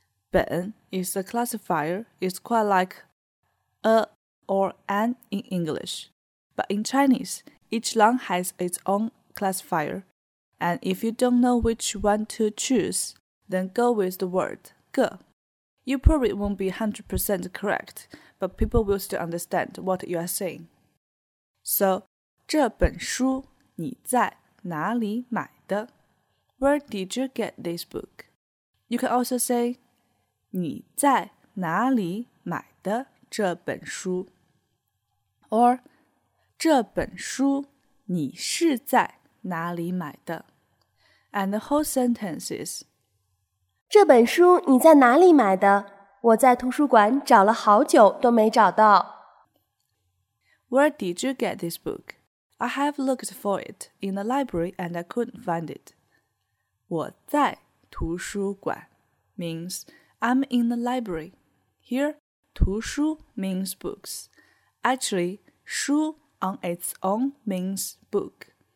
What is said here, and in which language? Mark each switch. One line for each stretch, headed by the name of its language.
English: 本 is a classifier, it's quite likeA or an in English. But in Chinese, each noun has its own classifier. And if you don't know which one to choose, then go with the word 个. You probably won't be 100% correct, but people will still understand what you are saying.
Chinese: So, 这本书你在哪里买的?
English: Where did you get this book? You can also say
Chinese: 你在哪里买的? 这本书 or 这本书你是在哪里买的
English: and the whole sentence is
Chinese: 这本书你在哪里买的我在图书馆找了好久都没找到
English: Where did you get this book? I have looked for it in the library and I couldn't find it.
Chinese: 我在图书馆
English: means I'm in the library. Here,图书 means books. Actually, 书 on its own means book.